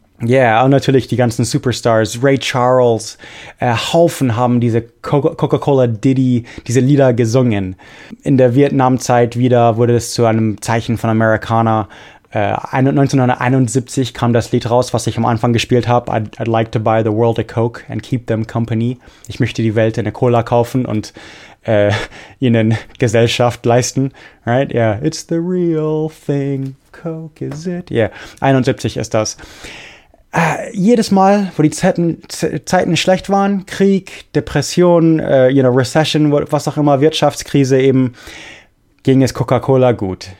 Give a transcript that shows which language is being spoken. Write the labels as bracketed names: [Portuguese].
[German] Yeah, und natürlich die ganzen Superstars, Ray Charles, Haufen haben diese Coca-Cola-Diddy, diese Lieder gesungen. In der Vietnamzeit wieder wurde es zu einem Zeichen von Amerikaner. 1971 kam das Lied raus, was ich am Anfang gespielt habe. [English] I'd like to buy the world a Coke and keep them company. [German] Ich möchte die Welt eine Cola kaufen und ihnen Gesellschaft leisten. [English] Right? Yeah. It's the real thing. Coke, is it? Yeah. [German] 71 ist das. Jedes Mal, wo die Zeiten schlecht waren, Krieg, Depression, Recession, was auch immer, Wirtschaftskrise eben, ging es Coca-Cola gut.